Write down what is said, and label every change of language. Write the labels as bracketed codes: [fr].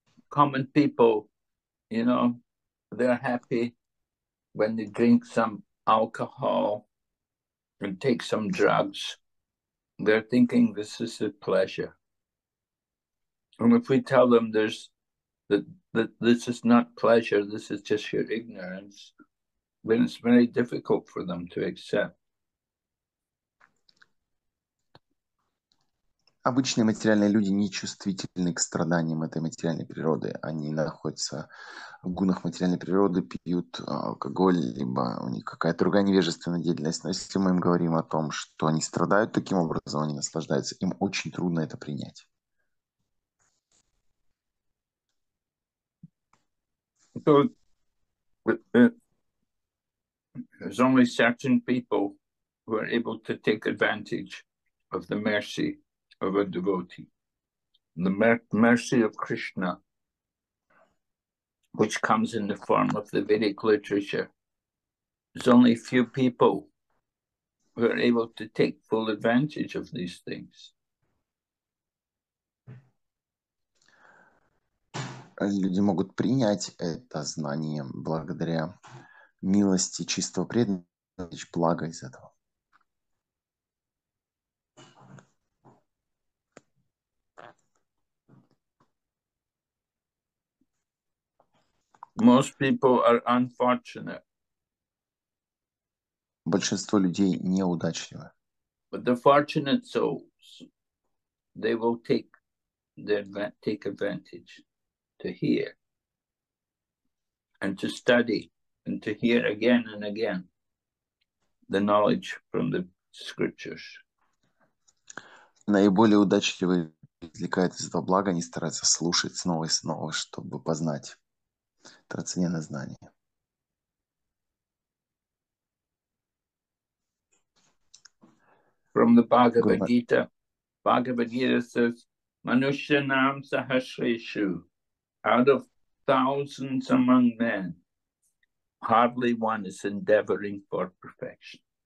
[en] Common people, you know, they're happy when they drink some alcohol and take some drugs. They're thinking this is a pleasure. And if we tell them there's that this is not pleasure, this is just your ignorance, then it's very difficult for them to accept. [ru] Обычные материальные люди не чувствительны к страданиям этой материальной природы. Они находятся в гунах материальной природы, пьют алкоголь, либо у них какая-то другая невежественная деятельность. Но если мы им говорим о том, что они страдают таким образом, они наслаждаются, им очень трудно это принять. [en] There's only certain people who are able to take advantage of the mercy of a devotee, the mercy of Krishna, which comes in the form of the Vedic literature. There's only a few people who are able to take full advantage of these things. [ru] Люди могут принять это знание благодаря милости чистого преданного, благо из этого. [en] Most people are unfortunate. [ru] Большинство людей неудачливы. [en] But the fortunate souls, they will take the take advantage to hear and to study and to hear again and again the knowledge from the scriptures. [ru] Наиболее удачливые извлекают из этого блага, они стараются слушать снова и снова, чтобы познать трансцендентное знание. [en] From the Bhagavad Gita says, [sa] Manushyanam Sahasreshu, [en] out of thousands among men, hardly one is endeavoring for perfection.